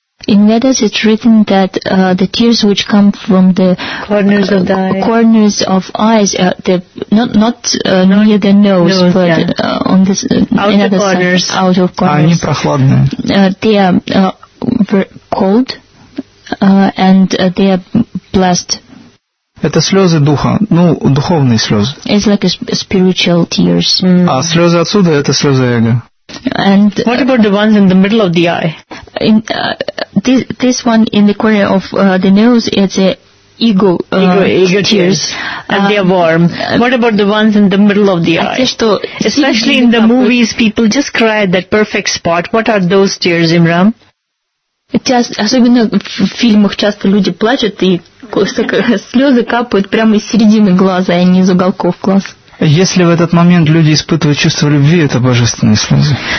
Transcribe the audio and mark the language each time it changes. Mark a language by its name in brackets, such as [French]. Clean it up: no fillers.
[English] In Vedas it's written that the tears which come from the corners of the corners of eyes, not near the nose, but yeah. On this another side, out of corners. [Russian] Они прохладные. [English] They are cold and they are blessed. [Russian] Это слезы духа, ну духовные слезы. [English] It's like spiritual tears. Mm. [Russian] А слезы отсюда это слезы эго. [English] And what about the ones in the middle of the eye? In this one in the corner of the nose, it's a ego tears, and they are warm. What about the ones in the middle of the eye? Especially in the movies, people just cry at that perfect spot. What are those tears, Imran? [Russian] Особенно в фильмах часто люди плачут и слезы капают прямо из середины глаза, а не из уголков глаз. Если в этот момент люди испытывают чувство любви, это божественные слезы.